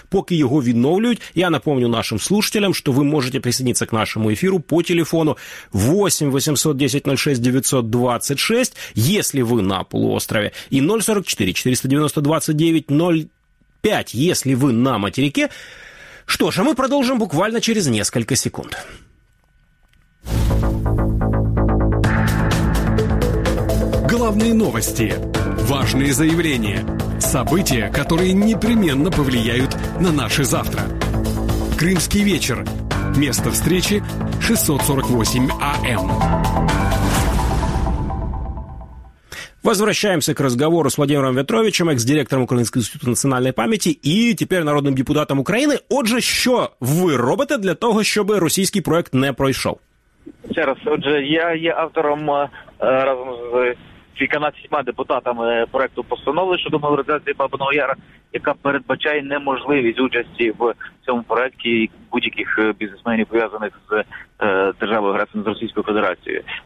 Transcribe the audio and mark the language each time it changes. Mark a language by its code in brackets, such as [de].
[uk] Поки його відновлюють, я [ru] напомню нашим слушателям, [uk] що ви можете присоединитися к нашому ефіру по телефону 8 810 06 926, якщо ви на полуострові, і 044 490 29 05, якщо ви на материке. Що ж, а ми продовжимо буквально через кілька секунд. [ru] Главные новости, важные заявления, события, которые непременно повлияют на наше завтра. Крымский вечер. Место встречи 648 АМ. Возвращаемся к разговору с Владимиром В'ятровичем, экс-директором Украинского института национальной памяти и теперь народным депутатом Украины. [uk] Отже, [ru] что вы [uk] робите [ru] для того, чтобы российский проект не [uk] пройшел? Ще раз, отже, я є автором разом з кільканадцятьма депутатами проекту постанови щодо мобілізації Бабиного Яра, яка передбачає неможливість участі в цьому проекті будь-яких бізнесменів, пов'язаних з державою-агресором, з Російською Федерацією.